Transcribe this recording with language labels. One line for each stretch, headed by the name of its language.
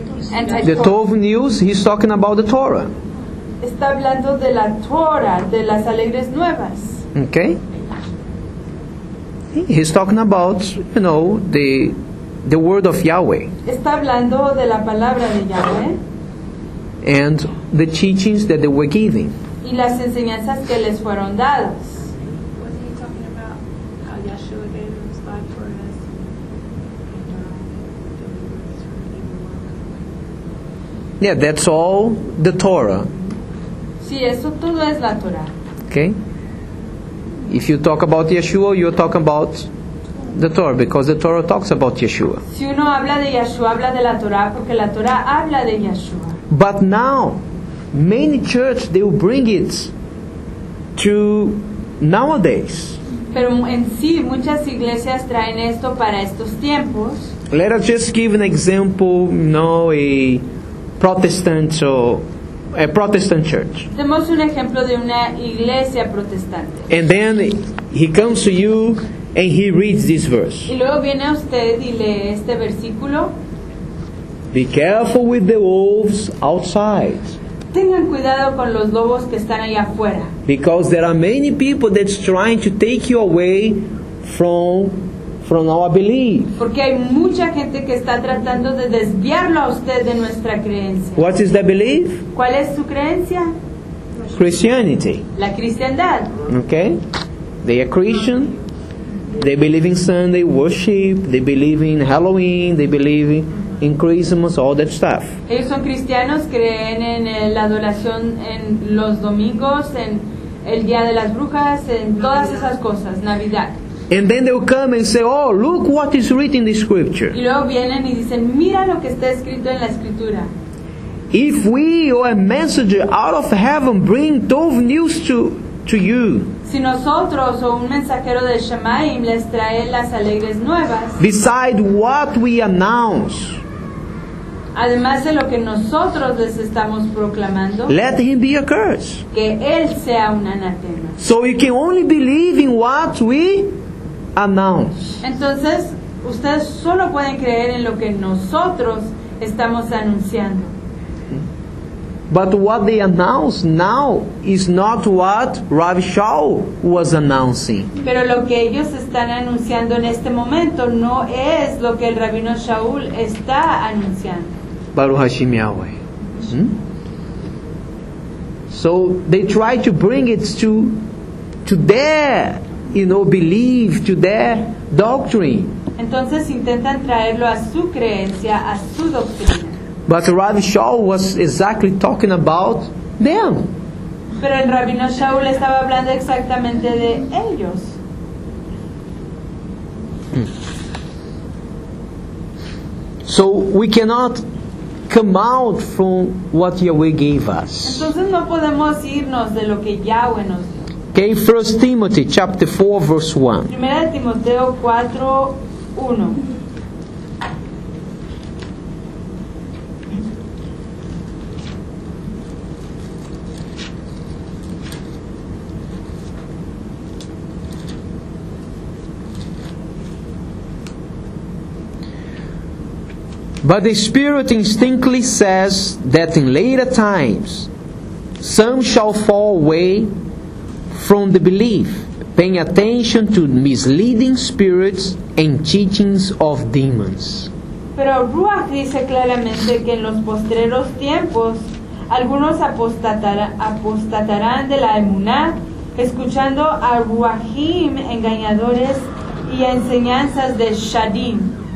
English: The Tov News, he's talking about the Torah.
Spanish: Está hablando de la Torah, de las Alegres Nuevas.
English: Okay. He's talking about, you know, the word of Yahweh.
Spanish: Está hablando de la palabra de Yahweh.
English: And the teachings that they were giving.
Spanish: Y las enseñanzas que les fueron dadas.
English: Wasn't he talking about how Yahshua gave him his life for us? Yeah, that's all the Torah.
Spanish: Sí, eso todo es la Torah.
English: Okay. If you talk about Yahshua, you're talking about the Torah, because the Torah talks about Yahshua.
Spanish: Si uno habla de Yahshua, habla de la Torah, porque la Torah habla de Yahshua.
English: But now, many churches, they will bring it to nowadays.
Spanish: Pero en sí, muchas iglesias traen esto para estos tiempos.
English: Let us just give an example, you know, a Protestant church.
Spanish: Demos un ejemplo de una iglesia protestante.
English: And then he comes to you and he reads this verse.
Spanish: Y luego viene usted y lee este versículo.
English: Be careful with the wolves outside.
Spanish: Tengan cuidado con los lobos que están allá afuera.
English: Because there are many people that's trying to take you away from our belief.
Spanish: Porque hay mucha gente que está tratando de desviarlo a usted de nuestra creencia.
English: What is the belief?
Spanish: ¿Cuál es su creencia?
English: Christianity.
Spanish: La cristiandad.
English: Okay. They are Christian. They believe in Sunday worship. They believe in Halloween. They believe in Christmas, all that stuff.
Spanish: Ellos son cristianos, creen en la adoración en los domingos, en el día de las brujas, en todas esas cosas, Navidad.
English: And then they will come and say, oh, look what is written in the scripture.
Spanish: Y luego vienen y dicen, mira lo que está escrito en la escritura.
English: If we or a messenger out of heaven bring Tov news to you.
Spanish: Si nosotros o un mensajero de Shemaim les trae las alegres nuevas.
English: Beside what we announce.
Spanish: Además de lo que nosotros les estamos proclamando.
English: Let him be a curse.
Spanish: Que él sea un anatema.
English: So you can only believe in what we announce.
Spanish: Entonces, ustedes solo pueden creer en lo que nosotros estamos anunciando.
English: But what they announce now is not what Rav Shaul was announcing.
Spanish: Pero lo que ellos están anunciando en este momento no es lo que el Rabino Shaul está anunciando.
Hebrew: Baruch Hashem Yahweh.
English: So they try to bring it to their, you know, belief, to their doctrine.
Spanish: Entonces intentan traerlo a su creencia, a su doctrina.
English: But Rav Shaul was exactly talking about them.
Spanish: Pero el Rabino Shaul estaba hablando exactamente de ellos.
English: So we cannot come out from what Yahweh gave us.
Spanish: Entonces no podemos irnos de lo que Yahweh nos dio.
English: Okay, 1 Timothy chapter 4 verse 1.
Spanish: 1 Timoteo 4, 1.
English: But the Spirit instinctively says that in later times some shall fall away from the belief, paying attention to misleading spirits and teachings of demons.
Spanish: Pero Ruach dice claramente que en los postreros tiempos algunos apostatarán de la emuná, escuchando a ruachim engañadores y enseñanzas de shadim.